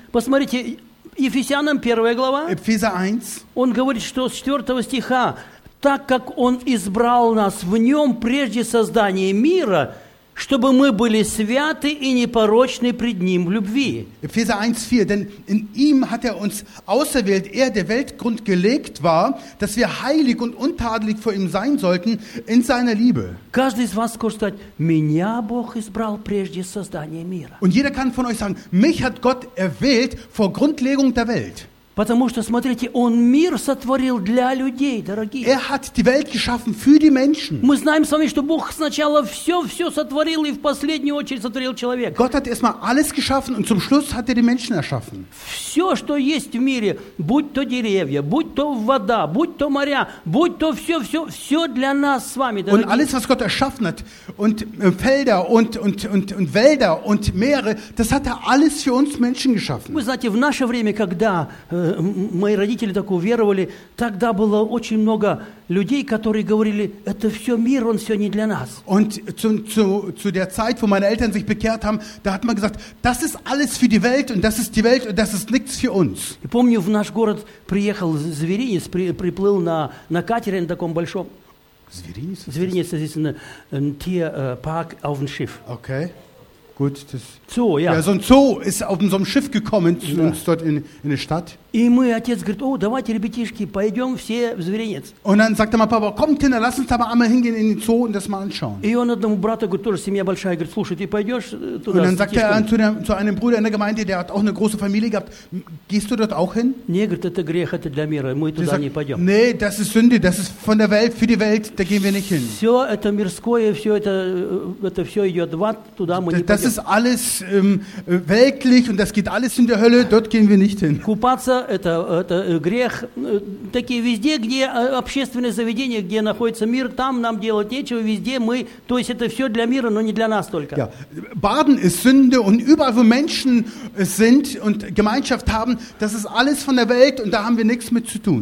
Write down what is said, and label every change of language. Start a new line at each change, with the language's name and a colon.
Russian: Посмотрите, Ефесянам 1 глава.
German: Epheser 1.
Russian: Он говорит, что с 4 стиха, так как он избрал нас в нем прежде создания мира, чтобы мы были святы и непорочны пред ним в любви.
German: Epheser 1:4, denn in ihm hat er uns auserwählt, er der Weltgrund gelegt war, dass wir heilig und untadelig vor ihm sein sollten in seiner Liebe.
Russian: Каждый из вас может сказать, меня Бог избрал прежде создания мира.
German: Und jeder kann von euch sagen, mich hat Gott erwählt vor Grundlegung der Welt.
Russian: Потому что, смотрите, Он мир сотворил для людей, дорогие.
German: Er hat die Welt geschaffen für die Menschen.
Russian: Мы знаем с вами, что Бог сначала все сотворил и в последнюю очередь сотворил человека.
German: Gott hat erstmal alles geschaffen und zum Schluss hat er die Menschen erschaffen.
Russian: Все, что есть в мире, будь то деревья, будь то вода, будь то моря, будь то все для нас с вами, дорогие.
German: Und alles, was Gott erschaffen hat, und Felder und Wälder und Meere, das hat er alles für uns Menschen geschaffen.
Russian: Вы знаете, в наше время, когда мои родители так уверовали, тогда было очень много людей, которые говорили, это все мир, он все не для нас.
German: Und zu der Zeit, wo meine Eltern sich bekehrt haben, da hat man gesagt, das ist alles für die Welt und das ist die Welt und das ist nichts für uns.
Russian: Я помню, в наш город приехал зверинец, приплыл на катере, на таком большом. Зверинец?
German: Зверинец, das ist ein Tierpark auf dem Schiff. Okay. Gut, das Zoo, ja. Ja, so ein Zoo ist auf so einem Schiff gekommen zu uns dort in der Stadt.
Russian: И мой отец говорит, о, давайте, ребятишки, пойдем все в зверинец.
German: Und dann sagte mein Papa, komm, Kinder, lass uns aber einmal hingehen in den Zoo und das mal anschauen.
Russian: И он одному брату говорит, тоже семья большая, говорит, слушай, ты пойдешь туда?
German: Und dann sagte er zu einem Bruder in der Gemeinde, der hat auch eine große Familie gehabt, gehst du dort auch hin? Nee,
Russian: говорит, это грех, это для мира, мы туда не пойдем.
German: Nee, das ist Sünde, das ist von der Welt, für die Welt, da gehen wir nicht hin.
Russian: Все это мирское, все это все идет в ад, туда мы не пойдем.
German: Das ist alles weltlich und das geht alles in der Hölle, dort gehen wir nicht hin.
Russian: Купаться Это грех. Такие везде, где общественные заведения, где находится мир, там нам делать нечего. Везде мы, то есть это все для мира, но не для нас только.
German: Ja. Baden ist Sünde und überall, wo Menschen sind und Gemeinschaft haben, das ist alles von der Welt und da haben wir nichts mit zu tun.